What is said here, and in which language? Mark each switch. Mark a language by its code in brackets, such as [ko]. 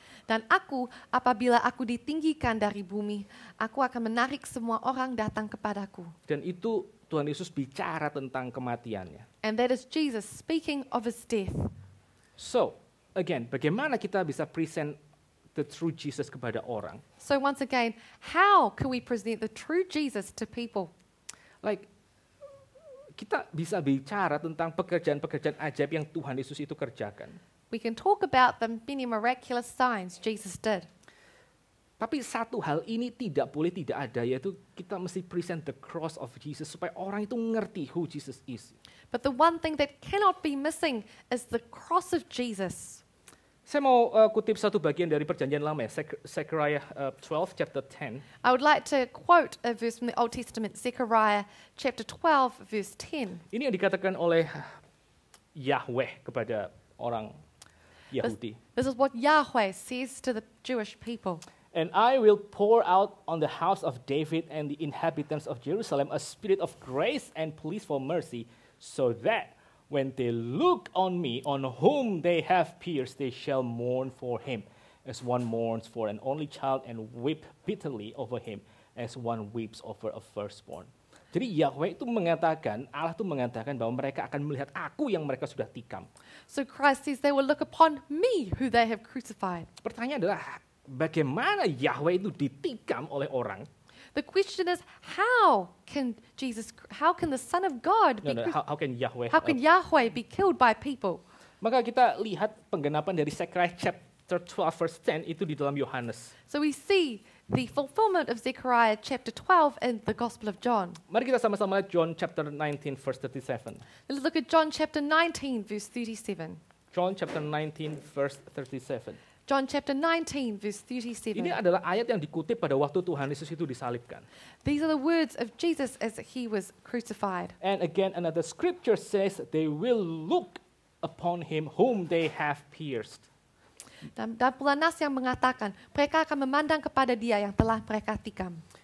[id] Dan aku, apabila aku ditinggikan dari bumi, aku akan menarik semua orang datang kepadaku. Dan itu Tuhan Yesus bicara tentang kematiannya. [en] And that is Jesus speaking of his death. So, again, [id] bagaimana kita bisa [en] present the true Jesus [id] kepada orang? [en] So once again, how can we present the true Jesus to people? [id] Like, kita bisa bicara tentang pekerjaan-pekerjaan ajaib yang Tuhan Yesus itu kerjakan. [en] We can talk about the many miraculous signs Jesus did. [id] Tapi satu hal ini tidak boleh tidak ada, yaitu kita mesti [en] present the cross of Jesus [id] supaya orang itu ngerti [en] who Jesus is. But the one thing that cannot be missing is the cross of Jesus. [id] Saya mau kutip satu bagian dari Perjanjian Lama, Zechariah 12, chapter 10. [en] I would like to quote a verse from the Old Testament, Zechariah chapter 12, verse 10. [id] Ini yang dikatakan oleh Yahweh kepada orang Yahudi. [en] This is what Yahweh says to the Jewish people. And I will pour out on the house of David and the inhabitants of Jerusalem a spirit of grace and pleas for mercy, so that when they look on me, on whom they have pierced, they shall mourn for him as one mourns for an only child and weep bitterly over him as one weeps over a firstborn. [id] Jadi Yahweh itu mengatakan, Allah itu mengatakan bahwa mereka akan melihat aku yang mereka sudah tikam. [en] So Christ says they will look upon me who they have crucified. [id] Pertanyaan adalah, bagaimana Yahweh itu ditikam oleh orang? [en] The question is, how can Yahweh be killed by people? [id] Maka kita lihat penggenapan dari Zechariah chapter 12 verse 10 itu di dalam Yohanes. [en] So we see the fulfillment of Zechariah chapter 12 in the Gospel of John. [id] Mari kita sama-sama lihat John chapter 19 verse 37. [en] Let's look at John chapter 19 verse 37. John chapter 19 verse 37. John chapter 19 verse 37. [id] Ini adalah ayat yang dikutip pada waktu Tuhan Yesus itu disalibkan. [en] These are the words of Jesus as he was crucified. And again another scripture says they will look upon him whom they have pierced. [id] Dan pula nas yang mengatakan mereka akan memandang kepada dia yang telah mereka tikam.